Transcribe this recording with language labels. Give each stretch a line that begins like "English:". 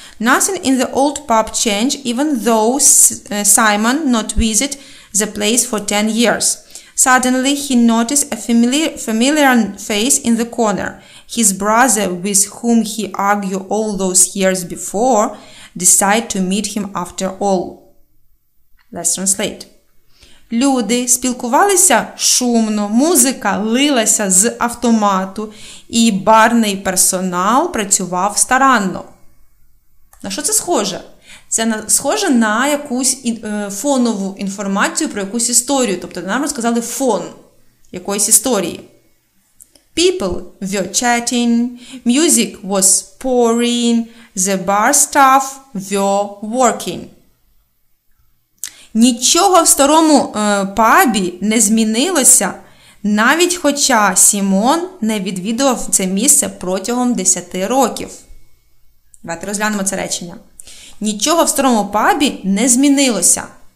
English: Nothing in the old pub change, even though Simon not visit the place for 10 years. Suddenly, he noticed a familiar face in the corner. His brother, with whom he argued all those years before, decided to meet him after all. Let's translate.
Ukrainian: Люди спілкувалися шумно, музика лилася з автомату, і барний персонал працював старанно. На що це схоже? Це схоже на якусь фонову інформацію про якусь історію. Тобто, нам розказали фон якоїсь історії.
English: People were chatting, music was pouring, the bar staff were working.
Ukrainian: Нічого в старому пабі не змінилося, навіть хоча Сімон не відвідував це місце протягом 10 років. Давайте розглянемо це речення. Нічого в старому пабі не змінилося.